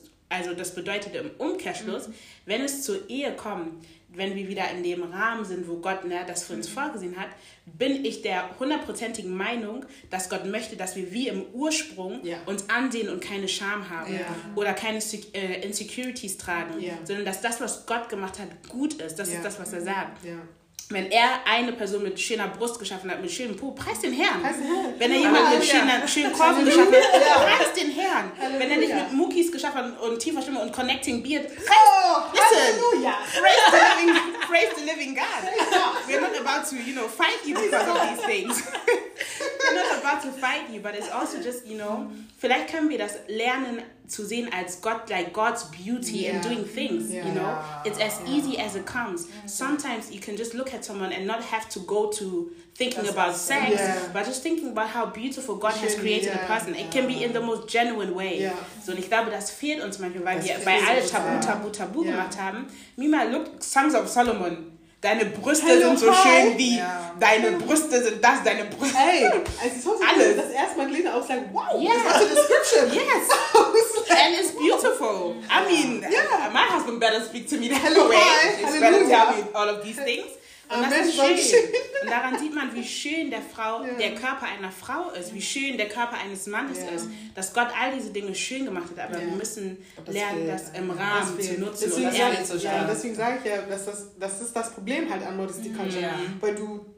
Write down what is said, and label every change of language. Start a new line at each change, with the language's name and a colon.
German: Also das bedeutet im Umkehrschluss, wenn es zur Ehe kommt, wenn wir wieder in dem Rahmen sind, wo Gott das für uns vorgesehen hat, bin ich der hundertprozentigen Meinung, dass Gott möchte, dass wir wie im Ursprung uns ansehen und keine Scham haben oder keine Insecurities tragen, sondern dass das, was Gott gemacht hat, gut ist. Das ist das, was er sagt. Ja. Wenn er eine Person mit schöner Brust geschaffen hat, mit schönem Po, preis den Herrn. Herr. Wenn er jemanden mit schönen Korben geschaffen hat, preis den Herrn. Halleluja. Wenn er dich mit Muckis geschaffen hat und tiefer Stimme und
English: Connecting Beard,
German: preis, Halleluja.
English: Praise the living God. We're not about to, you know, fight you because of these things. We're not about to fight you, but it's also just, you know,
German: vielleicht können wir das lernen zu sehen als Gott,
English: like God's beauty in doing things, you know. It's as easy as it comes. Sometimes you can just look at someone and not have to go to thinking about sex, but just thinking about how beautiful God has created a person. It can be in the most genuine way. Yeah.
German: So, und ich glaube, das fehlt uns manchmal, weil wir bei allen Tabu gemacht haben. Mima,
English: look, Songs of Solomon.
German: Deine Brüste sind so schön wie deine Brüste sind das, deine Brüste. Hey, als ich das erste Mal gelesen habe, ich war so, wow, das war so description.
English: Yes. And it's beautiful. I mean, my husband better speak to me that way. It's better to tell me all of these things.
German: Und das ist schön. Und daran sieht man, wie schön der Körper einer Frau ist, wie schön der Körper eines Mannes ist, dass Gott all diese Dinge schön gemacht hat. Aber wir müssen lernen, das im Rahmen zu nutzen und ehrlich zu sein. Deswegen sage ich ja, dass das ist das Problem halt an
English: Modesty Culture.
German: Weil du